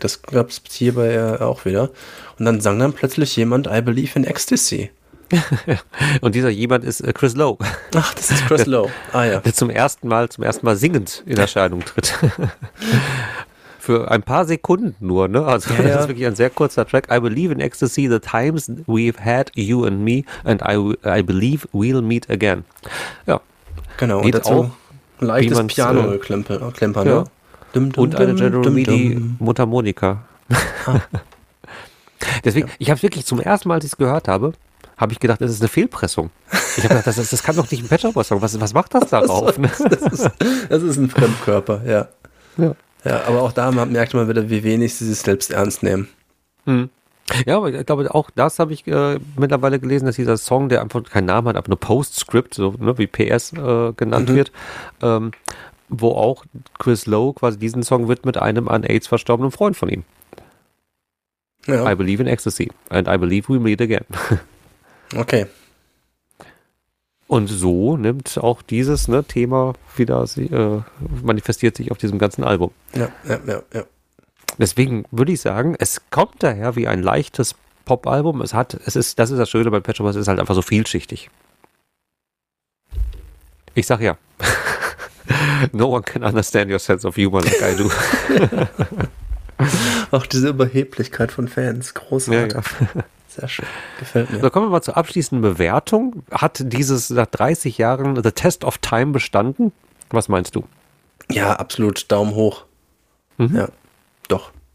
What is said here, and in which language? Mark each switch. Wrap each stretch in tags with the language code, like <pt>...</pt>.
<de>Das gab es hierbei auch wieder. Und dann sang dann plötzlich jemand I Believe in Ecstasy. Und dieser jemand ist Chris Lowe. Ach, das ist Chris Lowe. Ah ja. Der zum ersten Mal singend in Erscheinung tritt. Für ein paar Sekunden nur, ne? Also ja, das ist wirklich ein sehr kurzer Track.</de> <en>I believe in ecstasy, the times we've had, you and me, and I believe we'll meet again.</en> <de>Ja. Genau, geht und dazu ein leichtes Piano-Klimper, ne? Ja. Und eine General Midi Mundharmonika. Deswegen, ich habe wirklich zum ersten Mal, als ich es gehört habe, habe ich gedacht, das ist eine Fehlpressung. Ich habe gedacht, das kann doch nicht ein Pet Shop Boys Song. Was macht das darauf? Das ist ein Fremdkörper, ja. Ja, aber auch da merkt man wieder, wie wenig sie sich selbst ernst nehmen. Hm. Ja, aber ich glaube, auch das habe ich mittlerweile gelesen, dass dieser Song, der einfach keinen Namen hat, aber nur Postscript, so ne, wie PS genannt wird, wo auch Chris Lowe quasi diesen Song widmet einem an AIDS verstorbenen Freund von ihm. Ja.</de> <en>I believe in ecstasy and I believe we meet again.</en> <de>Okay. Und so nimmt auch dieses Thema wieder, manifestiert sich auf diesem ganzen Album. Ja. Deswegen würde ich sagen, es kommt daher wie ein leichtes Pop-Album. Das ist das Schöne bei Pet Shop Boys, es ist halt einfach so vielschichtig. Ich sag ja.</de> <en>No one can understand your sense of humor like I do.</en> <de>Auch diese Überheblichkeit von Fans, großartig. Ja. Sehr schön, gefällt mir. So, kommen wir mal zur abschließenden Bewertung. Hat dieses nach 30 Jahren</de> <en>The Test of Time</en> <de>bestanden? Was meinst du? Ja, absolut, Daumen hoch. Mhm. Ja, doch.</de>